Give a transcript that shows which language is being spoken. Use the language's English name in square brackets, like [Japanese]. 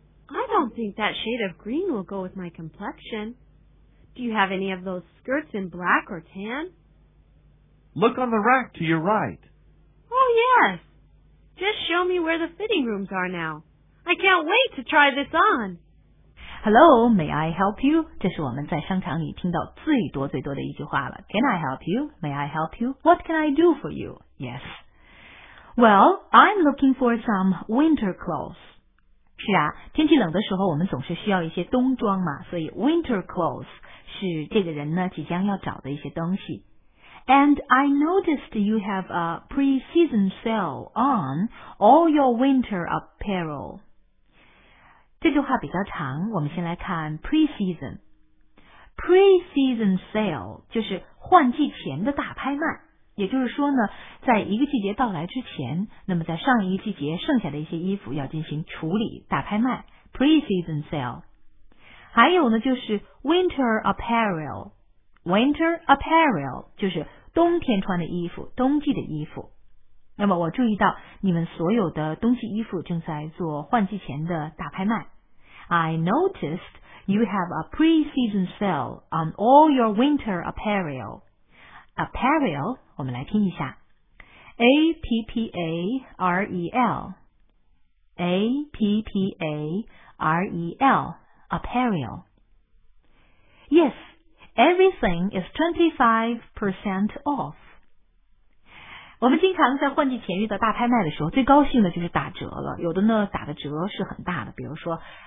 [English] I don't think that shade of green will go with my complexion. Do you have any of those skirts in black or tan? Look on the rack to your right. Oh, yes. Just show me where the fitting rooms are now. I can't wait to try this on. Hello, may I help you? [Chinese] 这是我们在商场里听到最多最多的一句话了。 [English] Can I help you? May I help you? What can I do for you? Yes. [Chinese] Well, I'm looking for some winter clothes. 是啊，天气冷的时候我们总是需要一些冬装嘛，所以 winter clothes 是这个人呢即将要找的一些东西。 [English] And I noticed you have a pre-season sale on all your winter apparel. [Chinese] 这句话比较长，我们先来看 pre-season. Pre-season sale 就是换季前的大拍卖。也就是说呢，在一个季节到来之前，那么在上一个季节剩下的一些衣服要进行处理，大拍卖 ,pre-season sale。还有呢就是 winter apparel, winter apparel 就是冬天穿的衣服，冬季的衣服。那么我注意到你们所有的冬季衣服正在做换季前的大拍卖。 [English] I noticed you have a pre-season sale on all your winter apparel. [Chinese] Apparel, 我们来听一下 A-P-P-A-R-E-L A-P-P-A-R-E-L Apparel Yes, everything is 25% off 我们经常在换季前遇到大拍卖的时候最高兴的就是打折了有的呢打的折是很大的比如说